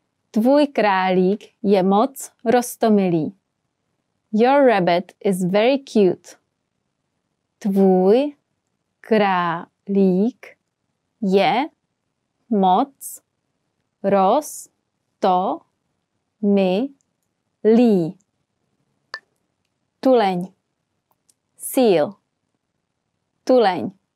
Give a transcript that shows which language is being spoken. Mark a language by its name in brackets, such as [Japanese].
[Czech] Tvůj králík je moc roztomilý. [English] Your rabbit is very cute. [Czech] Tvůj králík je moc roztomilý. Tuleň. [English] Seal. [Czech] Tuleň.